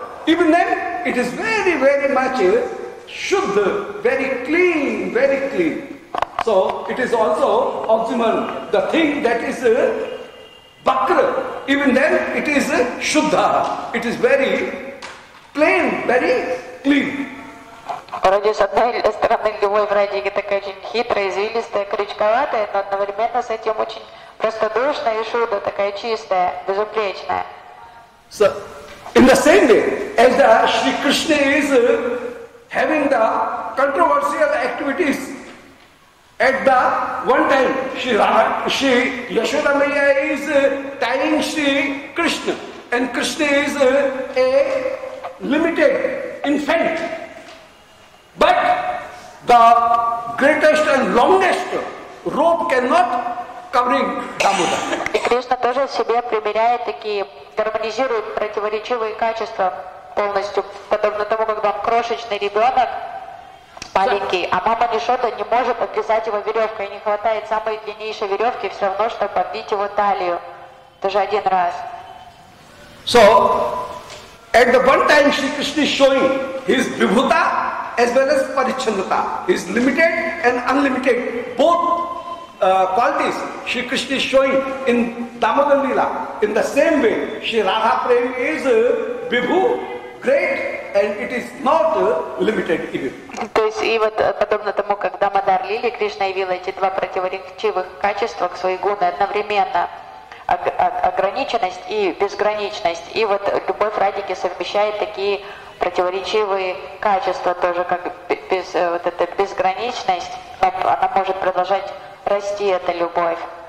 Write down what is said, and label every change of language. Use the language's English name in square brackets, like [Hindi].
[English] Even then, it is very, very much shuddh, very clean, very clean. So, it is also oxymoron. The thing that is bakra, even then, it is shuddha. It is very plain, very clean. [Russian] Вроде с одной стороны, любовь в Радике такая очень хитрая, извилистая, крючковатая, но одновременно с этим очень простодушная и шуддха, такая чистая, безупречная. [English] So, in the same way, as the Shri Krishna is having the controversial activities, at the one time, Shri Yashoda Maiya is tying Shri Krishna, and Krishna is a limited infant. But the greatest and longest rope cannot covering Damodar. [Russian] И Кришна тоже себе примеряет такие гармонизирует противоречивые качества полностью, подобно тому, когда он крошечный ребенок, маленький, а мама Нишота не может обвязать его веревкой, не хватает самой длиннейшей веревки, все равно, чтобы обвить его талию, даже один раз. [English] So, at the one time Shri Krishna is showing his vibhuta as well as parichannata, his limited and unlimited, both qualities Shri Krishna is showing in Damodar Leela. In the same way, Shri Radha Prem is Vibhu, great, and it is not limited even. [Russian] То есть, и вот подобно тому, как Дамодар Лили, Кришна явила эти два противоречивых качества к своей гуне одновременно, ограниченность и безграничность, и вот любовь Радики совмещает такие противоречивые качества тоже, как без, вот эта безграничность, она может продолжать расти, это любовь.